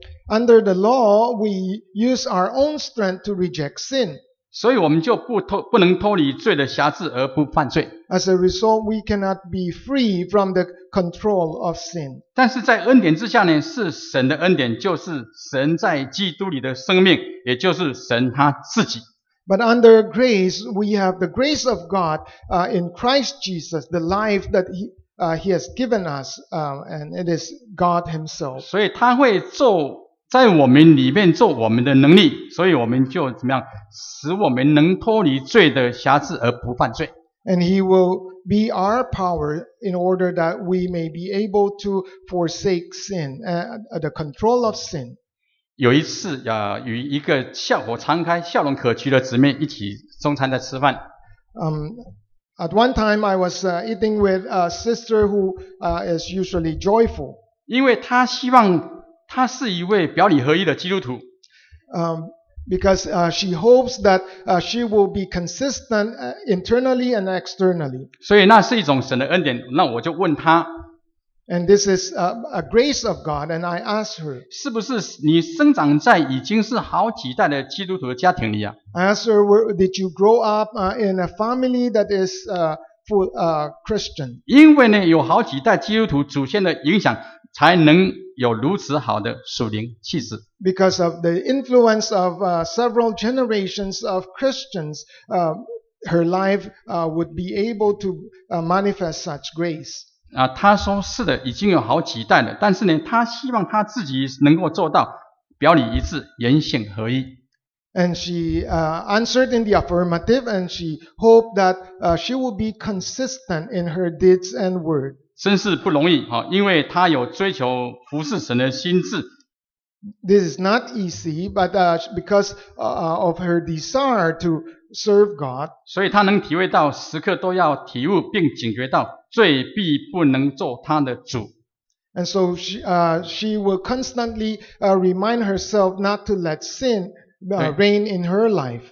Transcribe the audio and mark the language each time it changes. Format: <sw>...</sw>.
<en>Under the law, we use our own strength to reject sin.</en> <zh>所以我们就不能脱离罪的辖制而不犯罪。</zh> <en>As a result, we cannot be free from the control of sin.</en> <zh>但是在恩典之下呢，是神的恩典，就是神在基督里的生命，也就是神他自己。</zh> <en>But under grace, we have the grace of God, in Christ Jesus, the life that he, he has given us, and it is God himself.</en> <zh>所以他会做在我们里面做我们的能力，所以我们就怎么样，使我们能脱离罪的辖制而不犯罪。</zh> <en>And he will be our power in order that we may be able to forsake sin, the control of sin.</en> <zh>有一次啊，与一个笑口常开、笑容可掬的姊妹一起中餐在吃饭。</zh> <en>At one time I was eating with a sister who is usually joyful.</en> <zh>因为她希望她是一位表里合一的基督徒。</zh> <en>Because she hopes that she will be consistent internally and externally.</en> <zh>所以那是一种神的恩典，那我就问她。</zh> <en>And this is a grace of God, and I asked her.</en> <zh>是不是你生长在已经是好几代的基督徒的家庭里啊？</zh> <en>I asked her, did you grow up in a family that is full Christian?</en> <zh>因为呢，有好几代基督徒祖先的影响，才能有如此好的属灵气质。</zh> <en>Because of the influence of several generations of Christians, her life would be able to manifest such grace.</en> <zh>他说是的，已经有好几代了，但是呢，他希望他自己能够做到表里一致，言行合一。</zh> <en>And she answered in the affirmative, and she hoped that she would be consistent in her deeds and word.</en> <zh>真是不容易，因为他有追求服侍神的心志。</zh> <en>This is not easy, but because of her desire to serve God.</en> <zh>所以他能体会到时刻都要体悟并警觉到罪必不能做他的主。</zh> <en>And so she will constantly remind herself not to let sin reign in her life.</en>